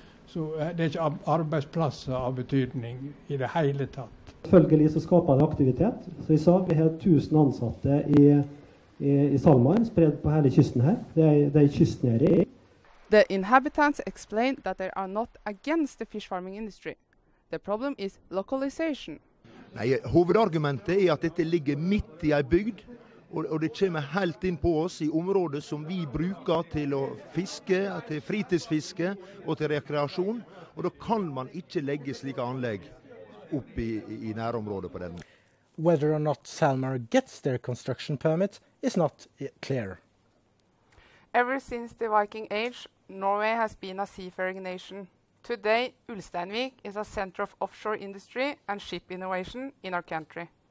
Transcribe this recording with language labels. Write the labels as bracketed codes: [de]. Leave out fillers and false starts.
[no] Så det ikke arbeidsplasser av betydning I det hele tatt. Følgelig så skaper det aktivitet. Så jeg sa vi har 1000 ansatte I SalMar, spredt på hele kysten her. Det kysten her I. [en] The inhabitants explain that they are not against the fish farming industry. The problem is localization. [no] Nei, hovedargumentet at dette ligger midt I en bygd, og det kommer helt inn på oss I området som vi bruker til å fiske, til fritidsfiske og til rekreasjon, og da kan man ikke legge slike anlegg opp I nærområdet på den. [en] Whether or not SalMar gets their construction permit is not clear. Ever since the Viking Age, Norway has been a seafaring nation. Today, Ulsteinvik is a center of offshore industry and ship innovation in our country.